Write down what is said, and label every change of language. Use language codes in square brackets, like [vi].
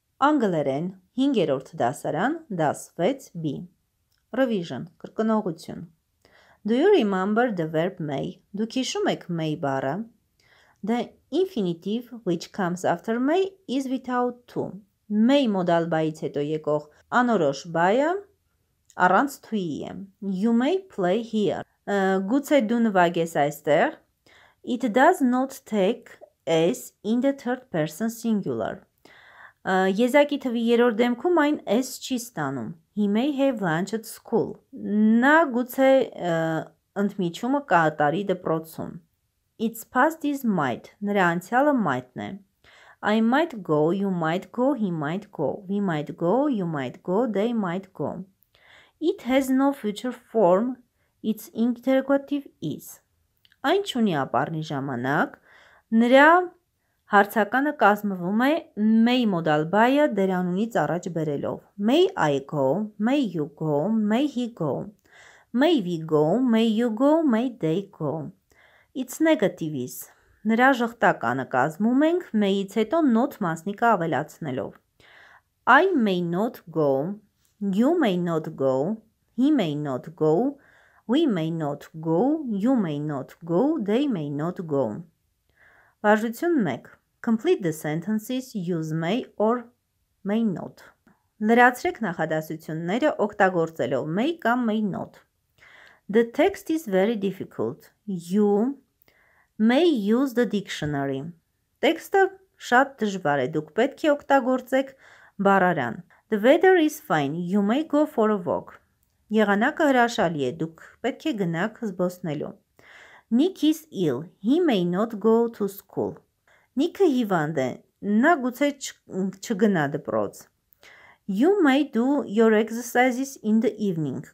[hy] Անգլերեն 5-րդ դասարան, դաս 6B. [en] Revision, կրկնողություն. Do you remember the verb may? [hy] Դուք հիշում եք may բառը? [en] The infinitive which comes after may is without to. [hy] May modal բայից հետո եկող անորոշ բայը առանց թույի է. [en] You may play here. [hy] Գուցե դու նվագես այստեղ. [en] It does not take s in the third person singular. [hy] Եզակի թվի երրորդ դեմքում այն s չի ստանում. [en] He may have lunch at school. [hy] Նա գուցե ընդմիջումը կատարի դպրոցում. [en] Its past is might. [hy] Նրա անցյալը might-ն է. [en] I might go, you might go, he might go. We might go, you might go, they might go. It has no future form. Its interrogative is. [hy] Այն չունի ապառնի ժամանակ, նրա հարցականը կազմվում է may modal by-ը դերանունից առաջ բերելով. [en] May I go, may you go, may he go. May we go, may you go, may they go. It's negative is. [hy] Նրա ժխտականը կազմում ենք may-ից հետո not մասնիկը ավելացնելով. [en] I may not go, you may not go, he may not go. We may not go, you may not go, they may not go. [hy] Վարժություն 1. [en] Complete the sentences, use may or may not. [hy] Լրացրեք նախադասությունները օգտագործելով may կամ may not. [en] The text is very difficult. You may use the dictionary. [hy] Տեքստը շատ դժվար է, դուք պետք է օգտագործեք բառարան. The weather is fine, you may go for a walk. Եղանակը հրաշալի է, դուք պետք է գնաք զբոսնելու։ [en] Nick is ill. He may not go to school. [hy] Nick-ը հիվանդ է, նա գուցե չգնա դպրոց։ [en] You may do your exercises in the evening.